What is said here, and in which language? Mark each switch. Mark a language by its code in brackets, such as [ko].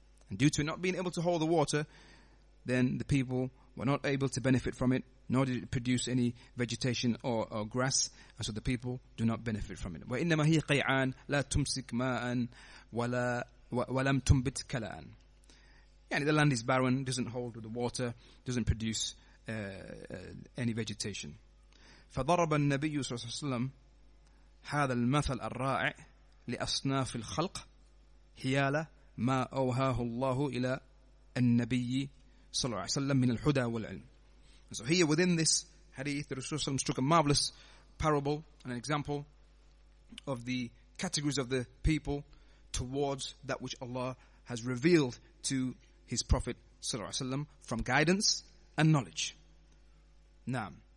[en] And due to it not being able to hold the water, then the people were not able to benefit from it, nor did it produce any vegetation or grass, and so the people do not benefit from it. [ar] وَإِنَّمَا هِيَ قَيْعَانَ لَا تُمْسِكْ مَاءً وَلَمْ تُنْبِتْ كَلَأً. [en] And the land is barren, doesn't hold the water, doesn't produce any vegetation. [ar] فضرب النبي صلى الله عليه وسلم هذا المثل الرائع لأصناف الخلق حيال ما أوهاه الله إلى النبي صلى الله عليه وسلم من الحدى والعلم. [en] And so here within this hadith, the Rasulullah struck a marvelous parable and an example of the categories of the people towards that which Allah has revealed to His Prophet [ar] صلى الله عليه وسلم [en] from guidance and knowledge. Naam.